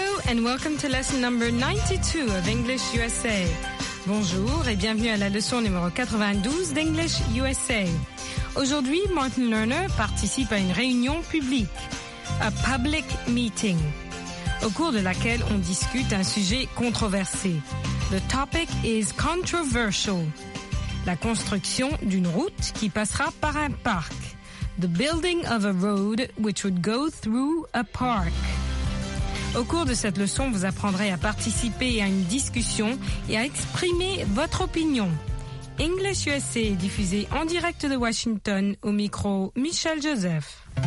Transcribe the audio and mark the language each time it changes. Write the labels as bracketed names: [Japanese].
[English] And welcome to lesson number 92 of English USA. [French] Bonjour et bienvenue à la leçon numéro 92 d'English USA. Aujourd'hui, Martin Lerner participe à une réunion publique, [English] a public meeting, [French] au cours de laquelle on discute un sujet controversé. [English] The topic is controversial. [French] La construction d'une route qui passera par un parc. [English] The building of a road which would go through a park. [French] Au cours de cette leçon, vous apprendrez à participer à une discussion et à exprimer votre opinion. English USA est diffusé en direct de Washington au micro Michel Joseph.